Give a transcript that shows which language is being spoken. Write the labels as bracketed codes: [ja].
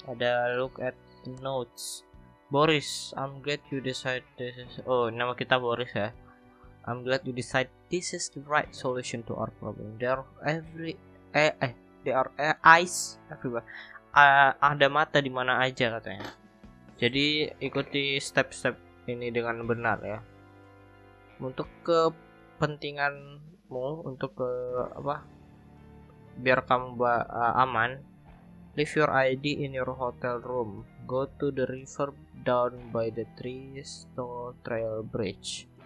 [en] Ada look at notes. Boris, I'm glad you decide this is... Oh, [id] nama kita Boris ya. [en] I'm glad you decide this is the right solution to our problem. There are eyes everywhere. [id] Ada mata di mana aja katanya. Jadi ikuti step-step ini dengan benar ya. Untuk kepentinganmu, untuk ke apa? Biar kamu aman. [en] Leave your ID in your hotel room. Go to the river down by the trees to trail bridge.